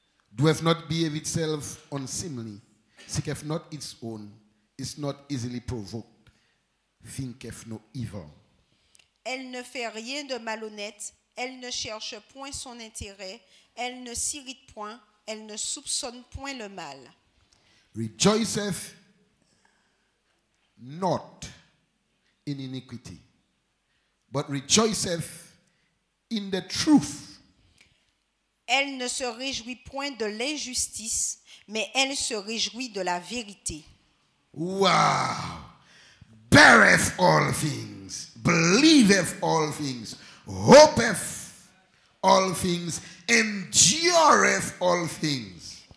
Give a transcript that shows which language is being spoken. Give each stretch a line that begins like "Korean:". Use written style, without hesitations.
English: Doeth not behave itself unseemly, seeketh not its own, is not easily provoked, thinketh no evil.
French: Elle ne fait rien de malhonnête, elle ne cherche point son intérêt, elle ne s'irrite point, elle ne soupçonne point le mal.
English: Rejoiceth not in iniquity, but rejoiceth in the truth.
French: Elle ne se réjouit point de l'injustice, mais elle se réjouit de la vérité.
English: Wow! Beareth all things, believeth all things, hopeth all things, endureth all things.